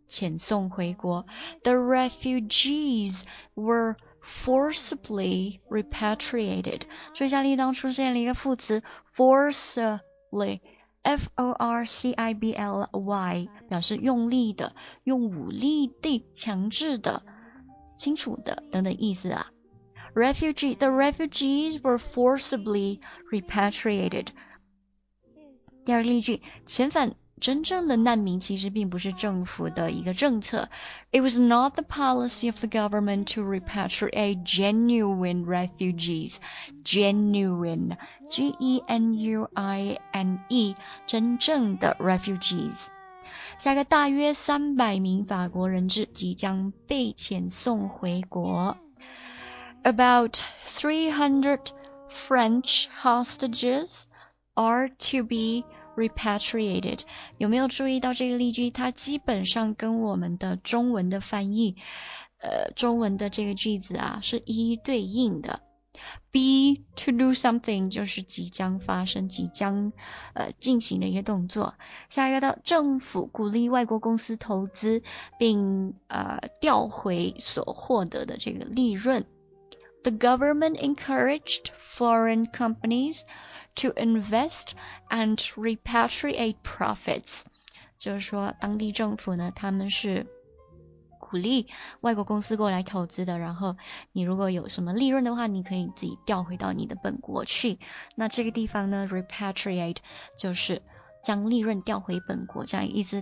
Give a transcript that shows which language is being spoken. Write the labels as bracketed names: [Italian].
[Chinese] 遣送回国 [English] The refugees were forcibly repatriated [Chinese] 这下例当出现了一个副词 Forcibly F-O-R-C-I-B-L-Y 表示用力的用武力的强制的清楚的等等意思啊 [English] The refugees were forcibly repatriated. [Chinese] 第二个例句，遣返真正的难民其实并不是政府的一个政策。 [English] It was not the policy of the government to repatriate genuine refugees. Genuine, G-E-N-U-I-N-E, [Chinese] 真正的 [English] refugees. [Chinese] 下一个，大约300名法国人质即将被遣送回国。 [English] About 300 French hostages are to be repatriated. [Chinese] 有没有注意到这个例句？它基本上跟我们的中文的翻译，中文的这个句子啊，是一一对应的。 [English] Be to do something [Chinese] 就是即将发生即将进行的一个动作。下一个到政府鼓励外国公司投资并调回所获得的这个利润。 [English] The government encouraged foreign companies to invest and repatriate profits. [Chinese] 就是说当地政府呢他们是鼓励外国公司过来投资的，然后你如果有什么利润的话，你可以自己调回到你的本国去。那这个地方呢 ，repatriate 就是将利润调回本国这样意思。